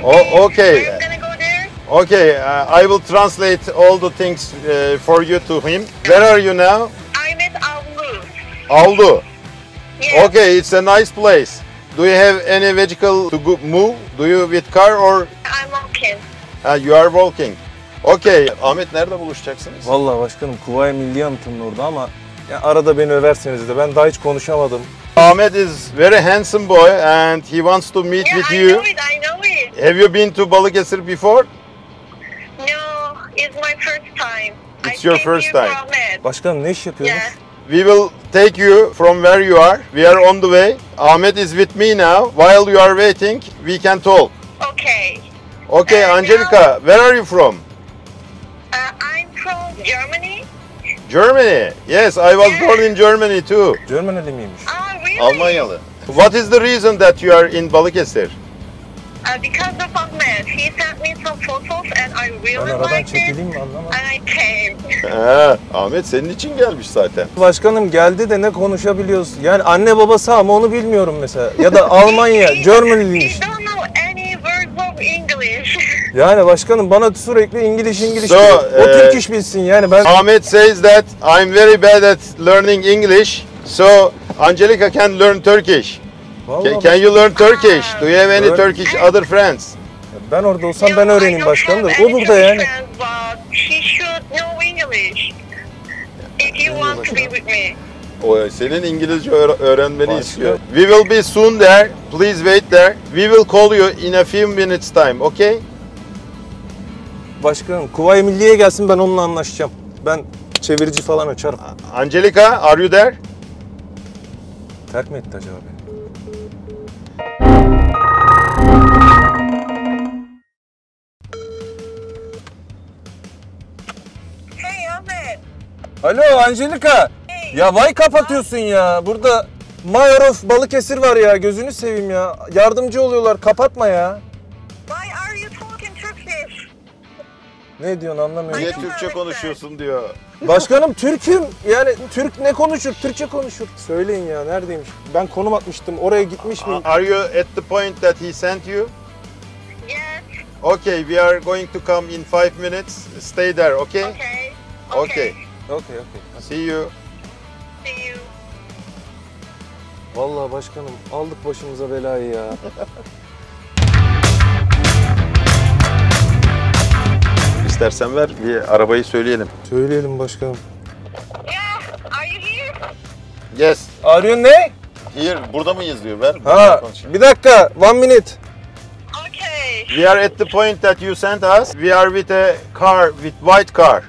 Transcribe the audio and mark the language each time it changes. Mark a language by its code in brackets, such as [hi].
[en] me? Okay. Okay, I will translate all the things for you to him. Where are you now? I'm at Avlu. Avlu? Yes. Okay, it's a nice place. Do you have any vehicle to go move? Do you with car or? I'm walking. You are walking. [tr] Okay, Ahmet nerede buluşacaksınız? Vallahi başkanım Kuvayi Milli Anıtı'nın orada ama ya arada beni överseniz de ben daha hiç konuşamadım. [en] Ahmet is very handsome boy and he wants to meet with you. Yeah, I know it, I know it. Have you been to Balıkesir before? It's my first time. It's your first time. [tr] Başkanım ne iş yapıyorsunuz? [en] Yeah. We will take you from where you are. We are on the way. Ahmet is with me now. While you are waiting, we can talk. Okay. Okay, Angelica, now, where are you from? I'm from Germany. Germany? Yes, I was born in Germany too. [tr] Germany'li miymiş? [en] Really? [tr] Almanyalı. [en] What is the reason that you are in Balıkesir? Because of Ahmet, he sent me some photos and I really liked it. [tr] Ben aradan çekileyim mi anlamadım. [en] And I came. [tr] Ahmet senin için gelmiş zaten. Başkanım geldi de ne konuşabiliyoruz? Yani anne babası ama onu bilmiyorum mesela. Ya da Almanya, Germany değil. [en] We don't know any words of English. [tr] Yani başkanım bana sürekli İngiliz diyor. O Türkçe bilsin yani ben. [en] Ahmet says that I'm very bad at learning English. So Angelica can learn Turkish. Can you learn Turkish? Do you have any Turkish other friends? [tr] Ben orada olsam ben öğreneyim başkanım da. O burada yani. [en] He should know English. If you want to be with me. [tr] O senin İngilizce öğrenmeni istiyor. [en] We will be soon there. Please wait there. We will call you in a few minutes time, okay? Başkanım, Kuvayi Milliye gelsin ben onunla anlaşacağım. Ben çevirici falan açarım. Angelica, are you there? [tr] Terk mi etti acaba beni? [en] Hey Ahmet. [tr] Alo Angelica. [en] Hey. [tr] Ya vay kapatıyorsun ya. Burada [en] Mayor of Balıkesir [tr] var ya. Gözünü seveyim ya. Yardımcı oluyorlar. Kapatma ya. [en] Why are you talking Turkish? [tr] Ne diyorsun anlamıyorum. Niye Türkçe konuşuyorsun diyor. Başkanım Türk'üm. Yani Türk ne konuşur? Türkçe konuşur. Söyleyin ya neredeymiş? Ben konum atmıştım. Oraya gitmiş miyim? [en] Are you at the point that he sent you? Yes. Okay, we are going to come in 5 minutes. Stay there, okay? Okay. Okay. Okay, okay. See you. See you. [tr] Vallahi başkanım aldık başımıza belayı ya. İstersen ver, bir arabayı söyleyelim. Söyleyelim başkanım. [en] Yeah, are you here? Yes. Are you [tr] ne? [en] Here, [tr] burada mıyız diyor. Ver. Ha. Bir dakika. [en] One minute. Okay. We are at the point that you sent us. We are with a car, with white car.